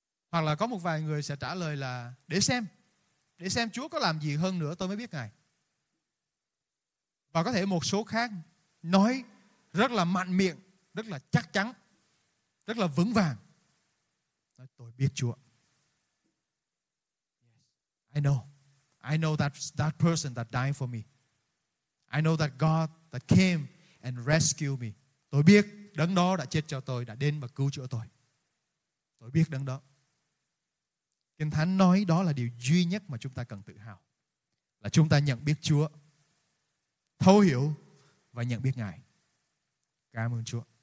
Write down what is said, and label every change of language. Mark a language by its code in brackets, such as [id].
[vi] Hoặc là có một vài người sẽ trả lời là: để xem Chúa có làm gì hơn nữa tôi mới biết Ngài. Và có thể một số khác nói rất là mạnh miệng, rất là chắc chắn, rất là vững vàng: tôi biết Chúa. [en] I know that person that died for me. I know that God that came and rescued me. [vi] Tôi biết đấng đó đã chết cho tôi, đã đến và cứu chữa tôi. Tôi biết đấng đó. Kinh Thánh nói đó là điều duy nhất mà chúng ta cần tự hào. Là chúng ta nhận biết Chúa, thấu hiểu và nhận biết Ngài. Cảm ơn Chúa.